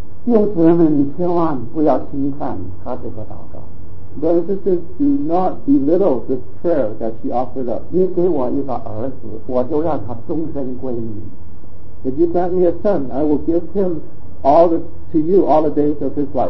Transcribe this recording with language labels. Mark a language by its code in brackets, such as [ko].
[zh] 弟兄姊妹们，你千万不要轻看他这个祷告。 [en] But this is do not belittle this prayer that she offered up. [zh] 你给我一个儿子，我就让他终身归你。 [en] If you grant me a son, I will give him all the, to you all the days of his life.